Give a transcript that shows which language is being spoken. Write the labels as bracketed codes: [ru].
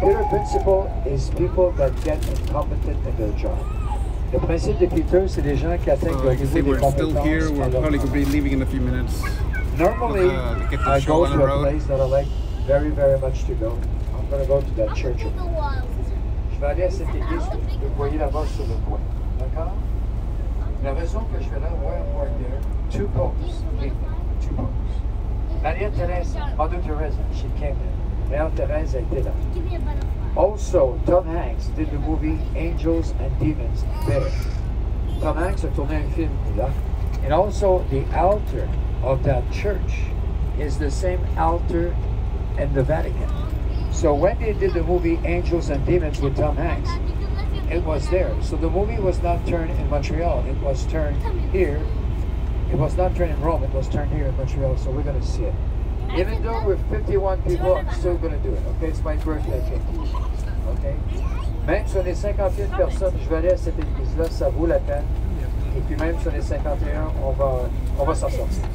[en] Peter Principle is people that get incompetent in their job. [fr] Le principe de Peter, c'est des gens qui atteignent le niveau des compétences. [en] We're still here. We're probably going to be leaving in a few minutes. Normally, I go to a place that I like very, very much to go. I'm going to go to that church. [fr] Je vais aller à cette église que vous voyez là-bas sur le coin. D'accord? La raison que je vais là, [en] why I'm going there, two popes. Two popes. Maria Teresa, Mother Teresa, she came there. [fr] Maria Teresa a été là. [en] Also, Tom Hanks did the movie Angels and Demons there. [fr] Tom Hanks a tourné un film là. [en] And also, the altar of that church is the same altar in the Vatican. So when they did the movie Angels and Demons with Tom Hanks, it was there. So the movie was not turned in Montreal. It was turned here. It was not turned in Rome. It was turned here in Montreal. So we're going to see it. Even though we're 51 people, I'm still going to do it. Okay, it's my birthday cake. Okay? [fr] Même sur les 51 personnes, je vais aller à cette église-là, ça vaut la peine. Et puis même sur les 51, on va s'en sortir.